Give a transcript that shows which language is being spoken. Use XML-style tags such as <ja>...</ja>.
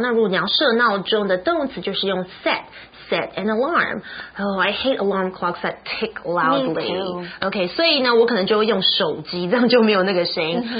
<zh>那如果你要设闹钟的动词就是用 set。</zh> <en>Set an alarm. Oh, I hate alarm clocks that tick loudly.</en> <zh>Okay, 所以呢，我可能就会用手机，这样就没有那个声音。</zh>